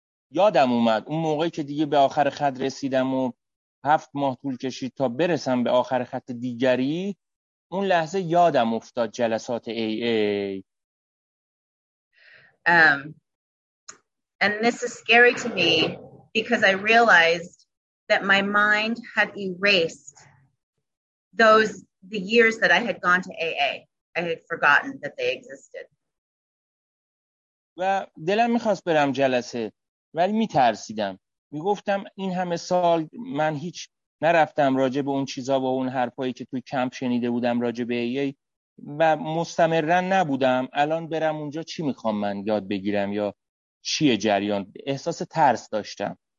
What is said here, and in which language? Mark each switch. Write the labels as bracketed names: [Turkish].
[Persian] یادم اومد اون موقعی که دیگه به آخر خط رسیدم و 7 ماه طول کشید تا برسم به آخر خط دیگری، اون لحظه یادم افتاد جلسات AA. [English] And this is scary to me because I realized that my mind had erased the years that I had gone to AA. I had forgotten that they existed. [Persian] و دلم میخواست برم جلسه ولی میترسیدم. میگفتم این همه سال من هیچ نرفتم راجع به اون چیزا و اون حرفایی که توی کمپ شنیده بودم راجع به AA و مستمرن نبودم. الان برم اونجا چی میخوام من یاد بگیرم یا چیه جریان؟ احساس ترس داشتم.